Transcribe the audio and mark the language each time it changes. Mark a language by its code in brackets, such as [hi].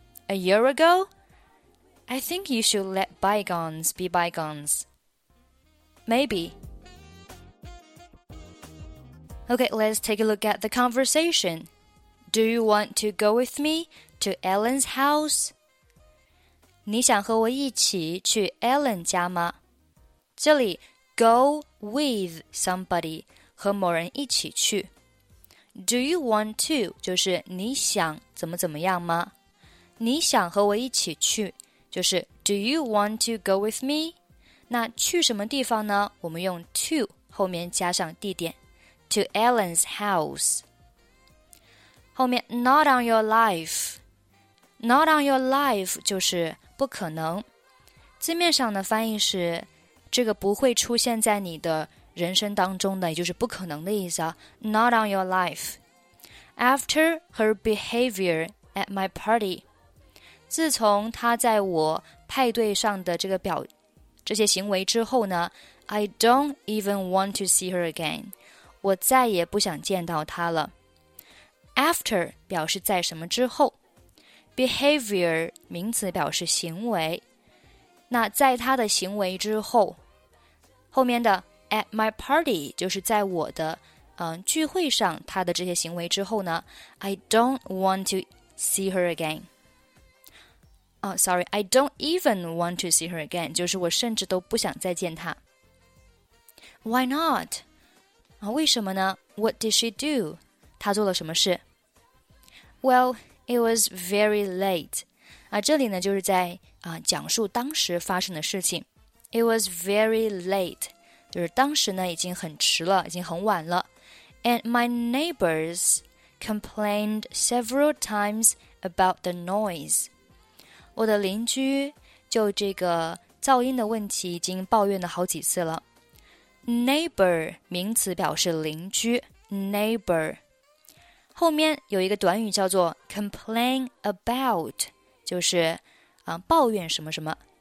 [en] A year ago? I think you should let bygones be bygones. Maybe. Okay, let's take a look at the conversation. Do you want to go with me to Ellen's house? [zh] 你想和我一起去 Ellen 家吗？这里 [en] go with somebody [zh] 和某人一起去。 [en] Do you want to [zh] 就是你想怎么怎么样吗？你想和我一起去就是 [en] Do you want to go with me? [zh] 那去什么地方呢？我们用 to 后面加上地点。 [en] To Ellen's house. [zh] 后面 [en] not on your life. Not on your life [zh] 就是不可能。字面上的翻译是这个不会出现在你的人生当中的，也就是不可能的意思啊。 [en] Not on your life. After her behavior at my party. [zh] 自从她在我派对上的这些行为之后呢 [en] I don't even want to see her again. [zh] 我再也不想见到他了。 After 表示在什么之后。Behavior 名词表示行为。那在他的行为之后，后面的 [en] at my party [zh] 就是在我的、聚会上他的这些行为之后呢 [en] I don't want to see her again. I don't even want to see her again. [zh] 就是我甚至都不想再见他。 [en] Why not? [zh] 为什么呢? [en] What did she do? [zh] 她做了什么事? [en] Well, it was very late. [zh] 这里呢就是在、讲述当时发生的事情。 [en] It was very late. [zh] 就是当时呢已经很迟了,已经很晚了。 And my neighbors complained several times about the noise. 我的邻居就这个噪音的问题已经抱怨了好几次了。 Neighbor 名词表示邻居 Neighbor 后面有一个短语叫做 [en] Complain about [zh] 就是、抱怨什么什么